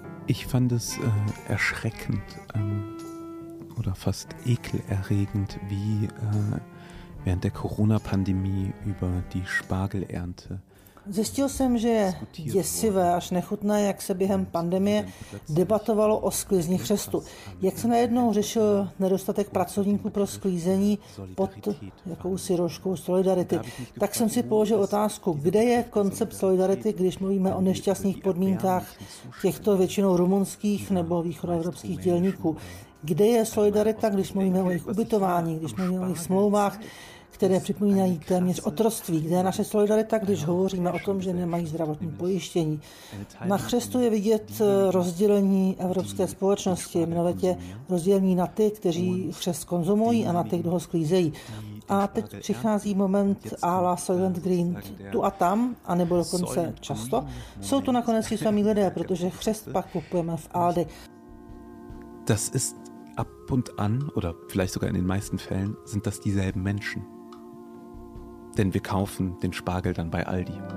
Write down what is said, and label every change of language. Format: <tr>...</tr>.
<de>Ich fand es erschreckend oder fast ekelerregend, wie während der Corona-Pandemie über die Spargelernte.</de> <cs>Zjistil jsem, že je děsivé až nechutné, jak se během pandemie debatovalo o sklizni chřestu. Jak se najednou řešil nedostatek pracovníků pro sklízení pod jakousi rožkou solidarity. Tak jsem si položil otázku, kde je koncept solidarity, když mluvíme o nešťastných podmínkách těchto většinou rumunských nebo východoevropských dělníků. Kde je solidarita, když mluvíme o jejich ubytování, když mluvíme o jejich smlouvách, které připomínají téměř otroství, kde je naše solidarita, když hovoříme o tom, že nemají zdravotní pojištění. Na chřestu je vidět rozdělení evropské společnosti, jmenovitě rozdělení na ty, kteří chřest konzumují a na ty, kdo ho sklízejí. A teď přichází moment à la Soylent Green tu a tam, anebo dokonce často. Jsou to nakonec i sami lidé, protože chřest pak kupujeme v Aldi.</cs> <de>Das ist ab und an, oder vielleicht sogar in den meisten Fällen, sind das dieselben Menschen. Denn wir kaufen den Spargel dann bei Aldi.</de>